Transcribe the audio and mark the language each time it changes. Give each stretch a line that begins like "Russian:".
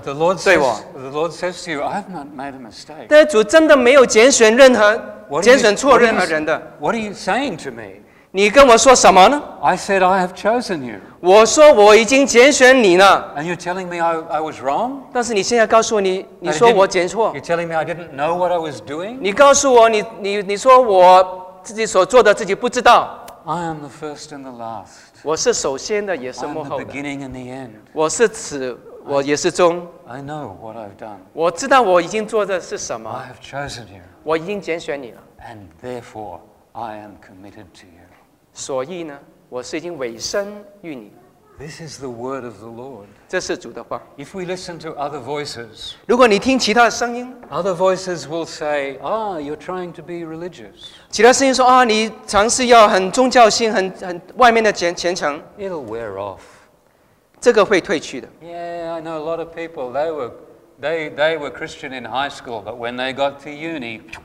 English: the Lord says to you, I've not made a mistake.
Chinese: 但主真的没有拣选错任何人的。
English: What are you saying to me?
Chinese: 你跟我说什么呢?
English: I said I have chosen you.
Chinese: 我说我已经拣选你了。
English: And you're telling me I was wrong?
Chinese: 但是你现在告诉我你说我拣错。
English: You're telling me I didn't know what I was doing?
Chinese: 你告诉我你说我自己所做的自己不知道。
English: I am the first and the last.
Chinese: 我是首先的也是幕后的。
English: I am the beginning and the end.
Chinese: 我是始我也是终。
English: I know what I've done.
Chinese: 我知道我已经做的是什么。
English: I have chosen you.
Chinese: 我已经拣选你了。
English: And therefore I am committed to you.
Chinese: 所以呢, 我是已经委身于你。
English: This is the word of the Lord.
Chinese: 这是主的话。
English: If we listen to other voices,
Chinese: 如果你听其他的声音,
English: other voices will say, ah, you're trying to be religious.
Chinese: 其他声音说, 啊, 你尝试要很宗教性, 很外面的虔诚。
English: It'll wear off.
Chinese: 这个会退去的。
English: Yeah, I know a lot of people, they were Christian in high school, but when they got to uni,